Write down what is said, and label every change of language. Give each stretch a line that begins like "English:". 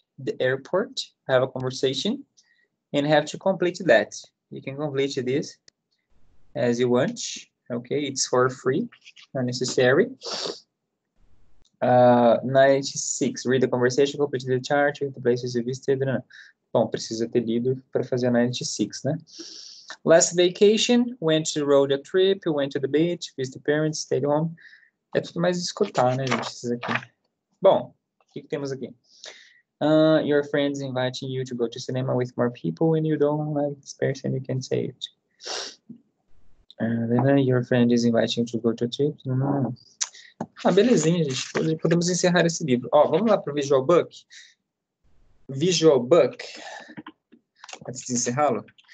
English: The airport, have a conversation. And have to complete that. You can complete this as you want. Okay, it's for free, not necessary. 96, read the conversation, complete the chart, the places you visited.
Portuguese: Bom, precisa ter lido para fazer a 96, né?
English: Last vacation, went to road a trip, went to the beach, visited parents, stayed home.
Portuguese: É tudo mais escutar, né, gente, isso aqui. Bom, o que temos aqui?
English: Your friends inviting you to go to cinema with more people and you don't like this person, you can say it. Then your friend is inviting you to go to a trip.
Portuguese: Ah, belezinha, gente. Podemos encerrar esse livro. Ó, vamos lá para o Visual Book. Visual Book. Antes de encerrá-lo.